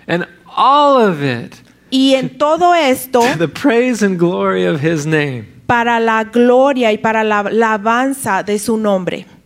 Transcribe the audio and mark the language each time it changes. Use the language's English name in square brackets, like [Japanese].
[English] And all of it. [Spanish] Y en todo esto. [English] To the praise and glory of his name. [Spanish] Para la gloria y para la alabanza de su nombre.